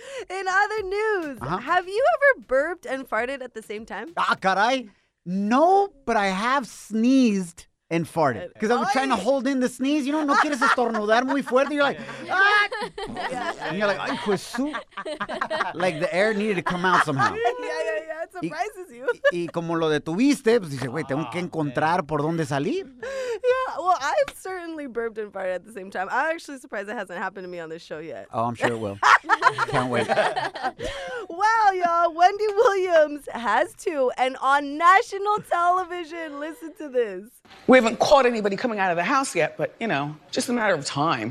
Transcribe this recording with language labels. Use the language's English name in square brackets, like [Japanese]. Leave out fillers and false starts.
[English] In other news, Have you ever burped and farted at the same time? [Spanish] Ah, caray. [English] No, but I have sneezed and farted. Because I was trying to hold in the sneeze. You know, [Spanish] no quieres estornudar muy fuerte. [English] You're like, ah! And you're like, ay, pues su. Like the air needed to come out somehow. It surprises you. [Spanish] Y como lo detuviste, pues dices, güey, tengo que encontrar por dónde salir. [English] Yeah, well, I've certainly burped and farted at the same time. I'm actually surprised it hasn't happened to me on this show yet. Oh, I'm sure it will. Can't wait. Well, y'all, Wendy Williams has two, and on national television, listen to this. We haven't caught anybody coming out of the house yet, but, you know, just a matter of time.